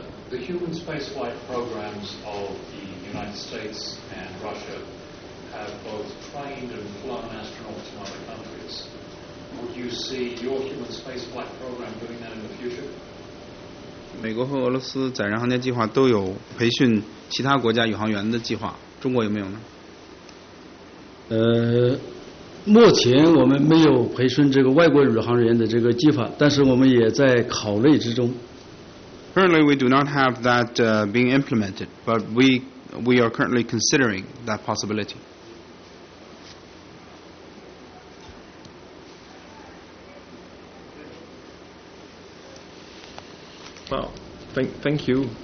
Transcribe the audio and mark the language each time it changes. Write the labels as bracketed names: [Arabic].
[English] The human spaceflight programs of the United States and Russia have both trained and flown astronauts in other countries. Would you see your human spaceflight program doing that in the future? [Chinese] 美国和俄罗斯载人航天计划都有培训其他国家宇航员的计划，中国有没有呢？目前我们没有培训这个外国宇航员的这个计划，但是我们也在考虑之中。 [English] Currently, we do not have that being implemented, but we are currently considering that possibility. 好 ，thank you.